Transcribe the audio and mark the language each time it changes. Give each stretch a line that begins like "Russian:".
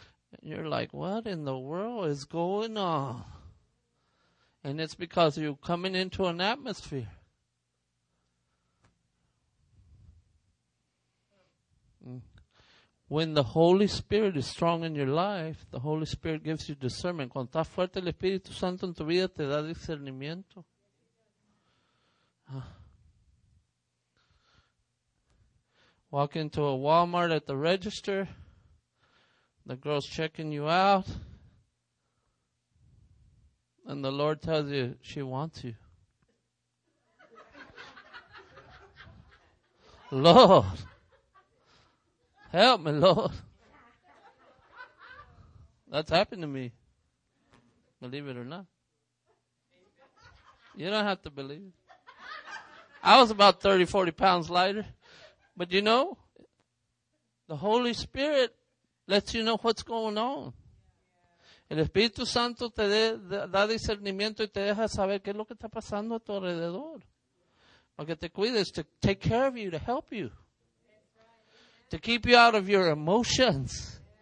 English: And you're like, what in the world is going on? And it's because you're coming into an atmosphere. When the Holy Spirit is strong in your life, the Holy Spirit gives you discernment.
Spanish: Cuando está fuerte el Espíritu Santo en tu vida, te da discernimiento.
English: Walk into a Walmart at the register. The girl's checking you out. And the Lord tells you she wants you. Lord. Help me, Lord. That's happened to me. Believe it or not. You don't have to believe it. I was about 30, 40 pounds lighter. But you know, the Holy Spirit lets you know what's going on.
Spanish: El Espíritu Santo te da discernimiento y te deja saber qué es lo que está pasando a tu alrededor. Para que te cuides,
English: to take care of you, to help you. To keep you out of your emotions.